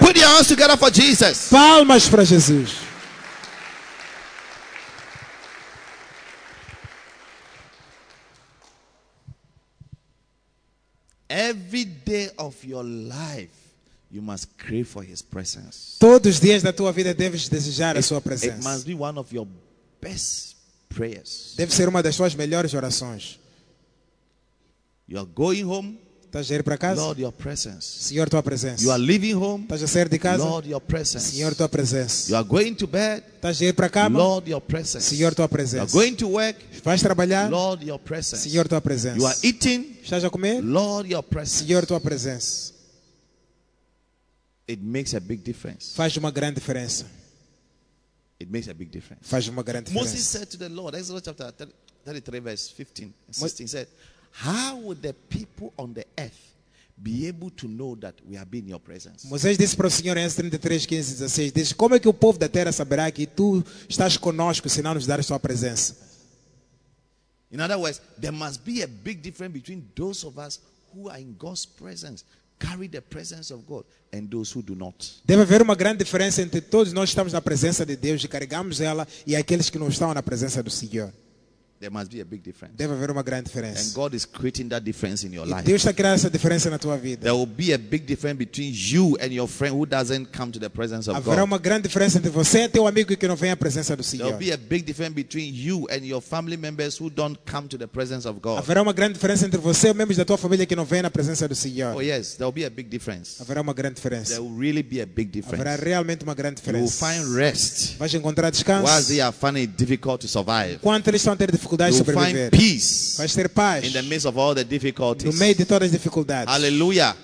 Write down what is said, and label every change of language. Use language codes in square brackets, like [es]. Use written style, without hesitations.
[en] Put your hands together for Jesus. [pt] Palmas para Jesus. [en] Every day of your life, you must crave for his presence. [pt] Todos os dias da tua vida deves desejar a sua presença. [en] It must be one of your best prayers. [pt] Deve ser uma das suas melhores orações. [en] You are going home. [pt] Estás a ir para casa. [en] Lord, your presence. [pt] Senhor, tua presença. [en] You are leaving home. [pt] Estás a sair de casa. [en] Lord, your presence. [pt] Senhor, tua presença. [en] You are going to bed. [pt] Estás a ir para cama. [en] Lord, your presence. [pt] Senhor, tua presença. [en] You are going to work. [pt] Vais trabalhar. [en] Lord, your presence. [pt] Senhor, tua presença. [en] You are eating. [pt] Estás a comer. [en] Lord, your presence. [pt] Senhor, tua presença. [en] It makes a big difference. [pt] Faz uma grande diferença. [en] It makes a big difference. [pt] Faz uma grande diferença. [en] Moses said to the Lord, Exodus chapter 33, verse 15 and 16, said, how would the people on the earth be able to know that we have been in your presence? [pt] Moisés disse para o Senhor em 33, 15 e 16, diz, como é que o povo da terra saberá que tu estás conosco se não nos dares tua presença? [en] In other words, there must be a big difference between those of us who are in God's presence, carry the presence of God, and those who do not. [pt] Deve haver uma grande diferença entre todos nós que estamos na presença de Deus e carregamos ela e aqueles que não estão na presença do Senhor. [en] There must be a big difference. [pt] Deve haver uma grande diferença. [en] And God is creating that difference in your life. [pt] Deus está criando essa diferença na tua vida. [en] There will be a big difference between you and your friend who doesn't come to the presence of God. [pt] Haverá uma grande diferença entre você e teu amigo que não vem à presença do Senhor. [en] There will be a big difference between you and your family members who don't come to the presence of God. [pt] Haverá uma grande diferença entre você e membros da tua família que não vêm à presença do Senhor. [en] Oh yes, there will be a big difference. [pt] Haverá uma grande diferença. [en] There will really be a big difference. [pt] Haverá realmente uma grande diferença. [en] You will find rest. [pt] Vais encontrar descanso. [en] While they are finding it difficult to survive. [pt] Quando eles estão tendo dificuldade. [en] You'll find peace in the midst of all the difficulties. [pt] No meio de todas as dificuldades. [en] Hallelujah.